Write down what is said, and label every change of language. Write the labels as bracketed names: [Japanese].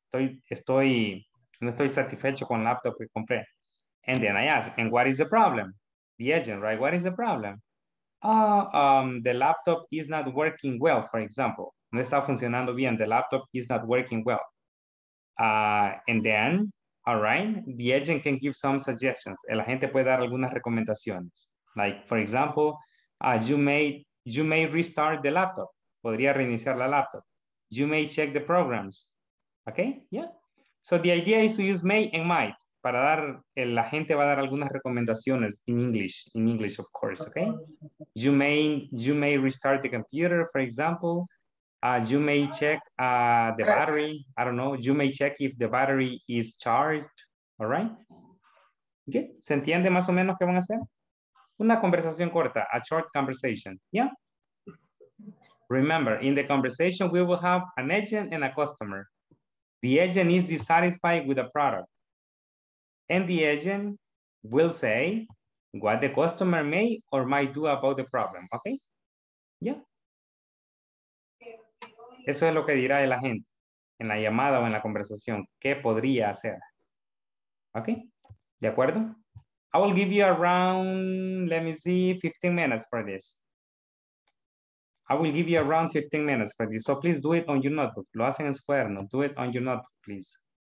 [Spanish] No estoy satisfecho con el laptop que compré. [English] And then I ask, and what is the problem? The agent, right, what is the problem? The laptop is not working well, for example. [Spanish] No está funcionando bien, [English] the laptop is not working well. And then, all right, the agent can give some suggestions. [Spanish] El agente puede dar algunas recomendaciones. [English] Like, for example, you may restart the laptop. [Spanish] Podría reiniciar la laptop. [English] You may check the programs. Okay, yeah. So the idea is to use may and might. [Spanish] Para dar, el agente va a dar algunas recomendaciones [English] in English, of course, [Spanish] okay? [English] You may restart the computer, for example. You may check the battery. I don't know. You may check if the battery is charged, all right? [Spanish] Okay, ¿se entiende más o menos qué van a hacer? Una conversación corta, [English] a short conversation, yeah? Remember, in the conversation, we will have an agent and a customer. The agent is dissatisfied with the product. And the agent will say what the customer may or might do about the problem, okay? Yeah. [Spanish] Eso es lo que dirá el agente en la llamada o en la conversación. ¿Qué podría hacer? Okay, ¿de acuerdo? [English] I will give you around, let me see, 15 minutes for this. I will give you around 15 minutes for this. So please do it on your notebook. [Spanish] Lo hacen en su cuaderno. [English] Do it on your notebook, please.